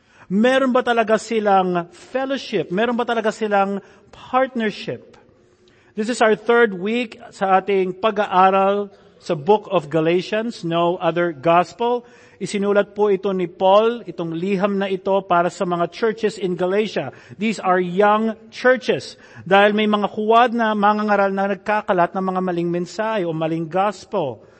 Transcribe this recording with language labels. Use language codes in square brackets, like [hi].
[tl] Meron ba talaga silang fellowship? Meron ba talaga silang partnership? [en] This is our third week [tl] sa ating pag-aaral sa [en] Book of Galatians, No Other Gospel. [tl] Isinulat po ito ni Paul, itong liham na ito para sa mga [en] churches in Galatia. These are young churches. [tl] Dahil may mga kuwad na mangangaral na nagkakalat ng mga maling mensahe o maling gospel.